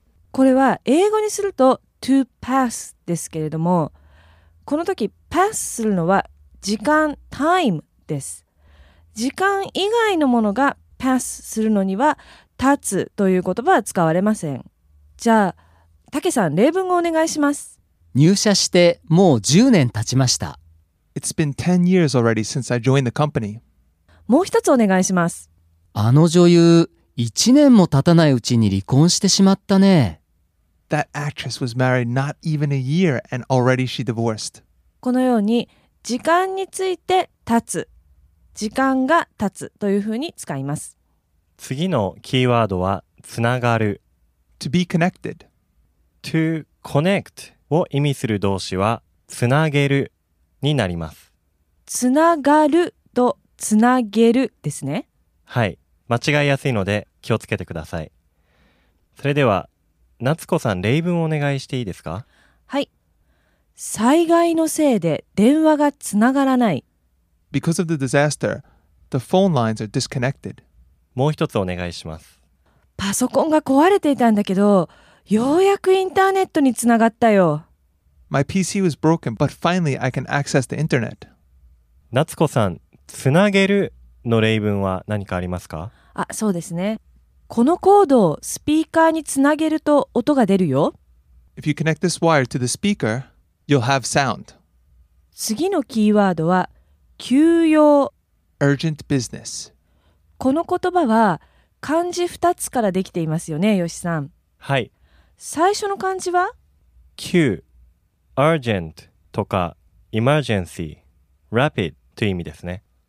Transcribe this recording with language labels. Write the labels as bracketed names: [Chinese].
[Japanese] これは英語にすると to pass ですけれども、この時 pass するのは時間、 time です。時間以外のものが pass するのには立つという言葉は使われません。じゃあたけさん、例文をお願いします。入社してもう10年経ちました。 [English] It's been 10 years already since I joined the company. [Japanese] もう一つお願いします。あの女優、1年も経たないうちに離婚してしまったね。 [English] That actress was married not even a year and already she divorced. [Japanese] このように、時間について経つ。時間が経つというふうに使います。次のキーワードは、つながる。 [English] To be connected. [Japanese] To connect を意味する動詞は、つなげるになります。つながるとつなげるですね。はい。間違いやすいので気をつけてください。それでは、夏子さん、例文をお願いしていいですか？はい。災害のせいで電話がつながらない。 [English] Because of the disaster, the phone lines are disconnected. [Japanese] もう一つお願いします。パソコンが壊れていたんだけど、ようやくインターネットにつながったよ。 [English] My PC was broken, but finally I can access the internet. [Japanese] 夏子さん、つなげるの例文は何かありますか？あ、そうですね。このコードをスピーカーにつなげると音が出るよ。 [English] If you connect this wire to the speaker, you'll have sound. [Japanese] 次のキーワードは、急用。 [English] Urgent business. [Japanese] この言葉は漢字2つからできていますよね、ヨシさん。はい。最初の漢字は？急。Urgent とか Emergency、Rapid という意味ですね。